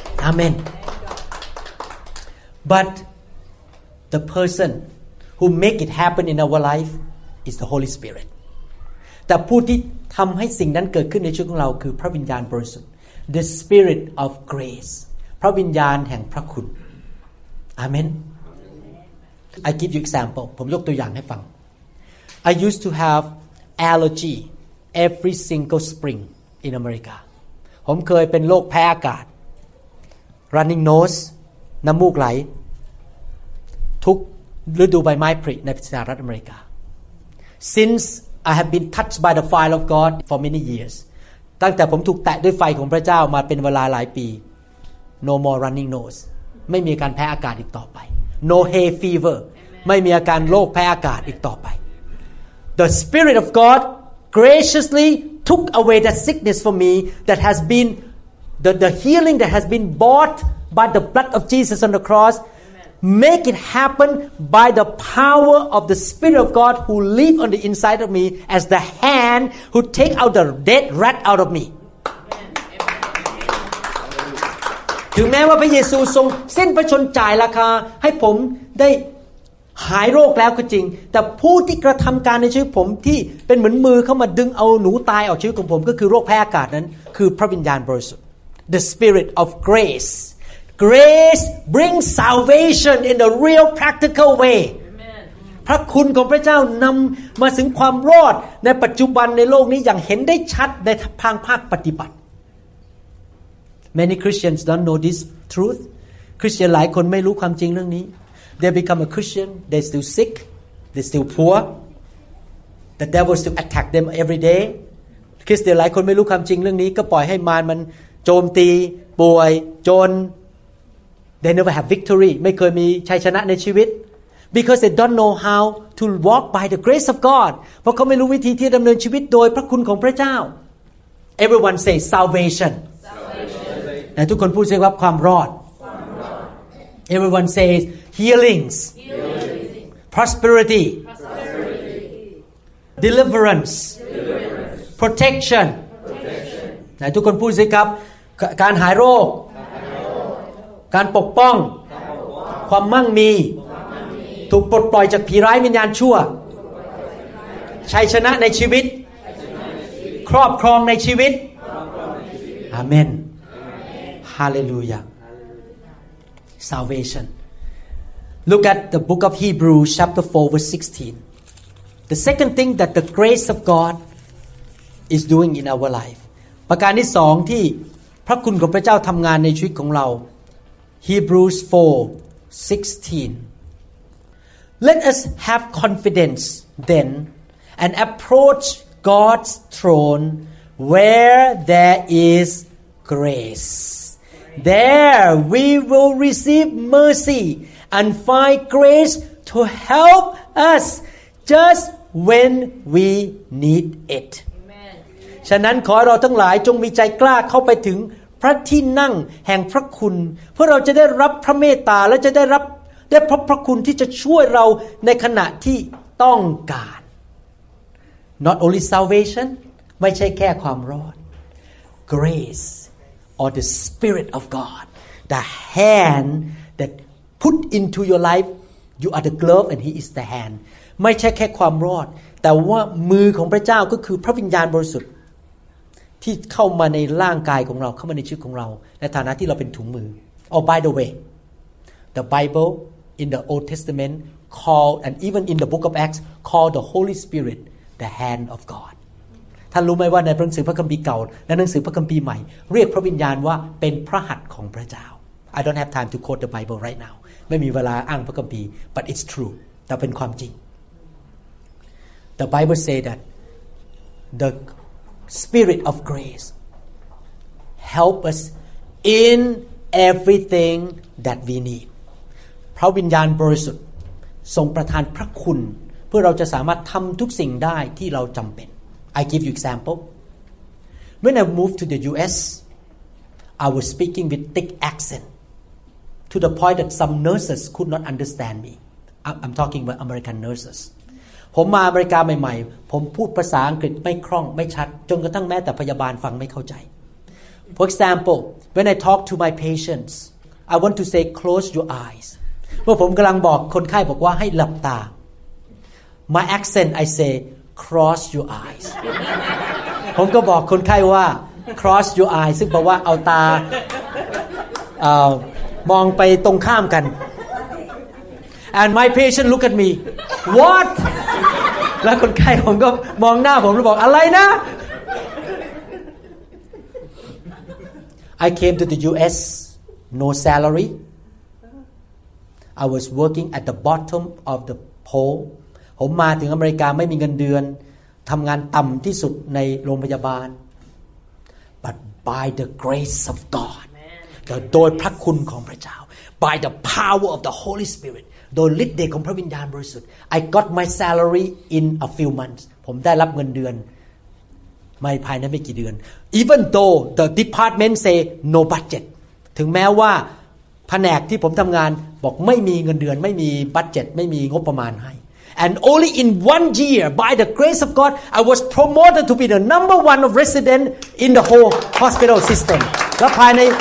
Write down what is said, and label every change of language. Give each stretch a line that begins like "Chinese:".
English: Amen but the person who make it happen in our life is the Holy Spirit
Thai: แต่ผู้ที่ทำให้สิ่งนั้นเกิดขึ้นในชีวิตของเราคือพระวิญญาณบริสุทธิ์
English: The Spirit of Grace,
Thai: พระวิญญาณแห่งพระคุณ
English: Amen. I give you example.
Thai: ผมยกตัวอย่างให้ฟัง
English: I used to have allergy every single spring in America.
Thai: ผมเคยเป็นโรคแพ้อากาศ
English: running nose,
Thai: น้ำมูกไหลทุกฤดูใบไม้ผลิในสหรัฐอเมริกา
English: Since I have been touched by the fire of God for many years.
Thai: ตั้งแต่ผมถูกแตะด้วยไฟของพระเจ้ามาเป็นเวลาหลายปี
English: No more running nose
Thai: ไม่มีการแพ้อากาศอีกต่อไป
English: No hay fever
Thai: ไม่มีอาการโรคแพ้อากาศอีกต่อไป
English: The Spirit of God graciously took away that sickness from me that has been the healing that has been bought by the blood of Jesus on the cross make it happen by the power of the Spirit of God who live on the inside of me as the hand who take out the dead rat out of me.
Thai: ถึงแม้ว่าพระเยซูทรงเส้นพระชนจ่ายราคาให้ผมได้หายโรคแล้วก็จริงแต่ผู้ที่กระทำการในชีวิตผมที่เป็นเหมือนมือเข้ามาดึงเอาหนูตายออกชีวิตของผมก็คือโรคแพ้อากาศนั้นคือพระวิญญาณบริสุทธิ์
English: The Spirit of GraceGrace brings salvation in a real practical way.
Thai: พระคุณของพระเจ้านำมาถึงความรอดในปัจจุบันในโลกนี้อย่างเห็นได้ชัดในทางภาคปฏิบัติ
English: Many Christians don't know this truth.
Thai: คริสเตียนหลายคนไม่รู้ความจริงเรื่องนี้
English: They become a Christian. They still sick. They still poor. The devil still attack them every day.
Thai: คริสเตียนหลายคนไม่รู้ความจริงเรื่องนี้ก็ปล่อยให้มารมันโจมตีป่วยจน
English: They never have victory.
Thai: ไม่เคยมีชัยชนะในชีวิต
English: because they don't know how to walk by the grace of God.
Thai: เพราะเขาไม่รู้วิธีที่ดำเนินชีวิตโดยพระคุณของพระเจ้า
English: Everyone say salvation. Salvation.
Thai: และทุกคนพูดเสียงว่าความรอด
English: Everyone say healings. Healings. Prosperity. Prosperity. Deliverance. Deliverance. Protection. Protection.
Thai: และทุกคนพูดเสียงครับการหายโรคการปกป้องความมั่งมีถูกปลดปล่อยจากผีร้ายวิญญาณชั่วชัยชนะในชี วิ ต ครอบครองในชี วิ ต
English: อาเมนฮาเลลูยา salvation look at the book of Hebrews chapter 4 verse 16 the second thing that the grace of God is doing in our life
Thai: ประการที่สองที่พระคุณของพระเจ้าทำงานในชีวิตของเรา
English: Hebrews 4:16. Let us have confidence then and approach God's throne where there is grace. There we will receive mercy and find grace to help us just when we need it.
Thai: ฉะนั้นขอเราทั้งหลายจงมีใจกล้าเข้าไปถึงพระที่นั่งแห่งพระคุณเพื่อเราจะได้รับพระเมตตาและจะได้รับได้พระคุณที่จะช่วยเราในขณะที่ต้องการ
English: Not only salvation
Thai: ไม่ใช่แค่ความรอด
English: Grace or the Spirit of God the hand that put into your life you are the glove and he is the hand
Thai: ไม่ใช่แค่ความรอดแต่ว่ามือของพระเจ้าก็คือพระวิญญาณบริสุทธิ์ ที่เข้ามาในร่างกายของเราเข้ามาในชีวิตของเราในฐานะที่เราเป็นถุงมือ
English: Oh by the way the Bible in the Old Testament called and even in the Book of Acts called the Holy Spirit the hand of God
Thai: ท่านรู้ไหมว่าในหนังสือพระคัมภีร์เก่าและหนังสือพระคัมภีร์ใหม่เรียกพระวิญญาณว่าเป็นพระหัตถ์ของพระเจ้า
English: I don't have time to quote the Bible right now.
Thai: ไม่มีเวลาอ้างพระคัมภีร์
English: but it's true.
Thai: แต่เป็นความจริง
English: The Bible say that the Spirit of grace help us in everything that we need.
Thai: พระวิญญาณบริสุทธิ์ทรงประทานพระคุณเพื่อเราจะสามารถทำทุกสิ่งได้ที่เราจำเป็น
English: I give you example. When I moved to the U.S., I was speaking with thick accent to the point that some nurses could not understand me. I'm talking about American nurses.
Thai: ผมมาอเมริกาใหม่ๆผมพูดภาษาอังกฤษไม่คล่องไม่ชัดจนกระทั่งแม้แต่พยาบาลฟังไม่เข้าใจ
English: For example, when I talk to my patients, I want to say close your eyes.
Thai: เมื่อผมกำลังบอกคนไข้บอกว่าให้หลับตา
English: My accent, I say cross your eyes.
Thai: ผมก็บอกคนไข้ว่า
English: cross your eyes
Thai: ซึ่งแปลว่าเอาตา มองไปตรงข้ามกัน
English: And my patient look at me, what?
Thai: แล้วคนไข้ผมก็มองหน้าผมแล้วบอกอะไรนะ
English: I came to the U.S. no salary. I was working at the bottom of the pole.
Thai: ผมมาถึงอเมริกาไม่มีเงินเดือนทำงานต่ำที่สุดในโรงพยาบาล
English: But by the grace of God,
Thai: โดยพระคุณของพระเจ้า
English: by the power of the Holy Spirit.
Thai: โดยฤทธิ์เดชของพระวิญญาณบริสุทธิ์
English: I got my salary in a few months
Thai: ผมได้รับเงินเดือนไม่ภายในไม่กี่เดือน
English: Even though the department say no budget
Thai: ถึงแม้ว่าแผนกที่ผมทำงานบอกไม่มีเงินเดือนไม่มีบัดเจ็ตไม่มีงบประมาณให้
English: And only in 1 year by the grace of God I was promoted to be the number one of resident in the whole hospital system
Thai: และภายใน